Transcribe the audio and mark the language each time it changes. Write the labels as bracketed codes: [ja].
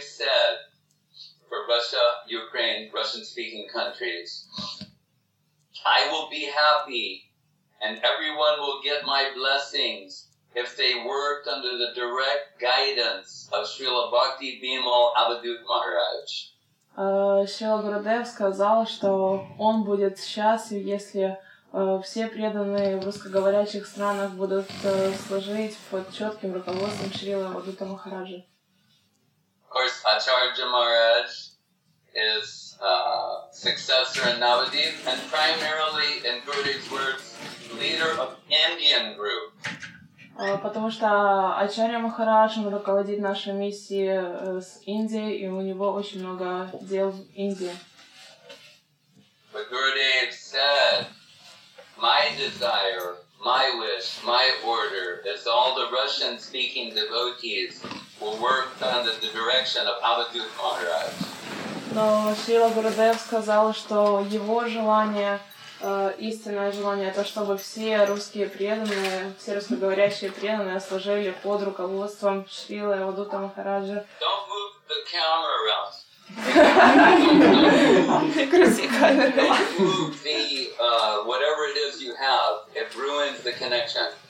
[en] said, for Russia, Ukraine, Russian-speaking countries, I will be happy and everyone will get my blessings if they worked under the direct guidance of Srila Bhakti Bimal Abhidhut Maharaj. [ru] Srila Gurudev сказал, что он будет счастлив, если все преданные в русскоговорящих странах будут служить под четким руководством Шрила Абхидхута Махараджа. [en] Of course, Acharya Maharaj is successor in Navadvip and primarily, in Gurudev's words, leader of Indian group. [ru] Потому что Acharya Maharaj руководит нашей миссией с Индии, и у него очень много дел в Индии. [en] But Gurudev said, my desire, my wish, my order is all the Russian-speaking devotees will work under the direction of Abhidhut Maharaj. [ru] Но Шрила Гурудев сказал, что его желание, истинное желание, это чтобы все русские преданные, все русскоговорящие преданные служили под руководством Шрилы Абхидхута Махараджа. [en] Don't move the camera around. Don't move the whatever it is you have. It ruins the connection.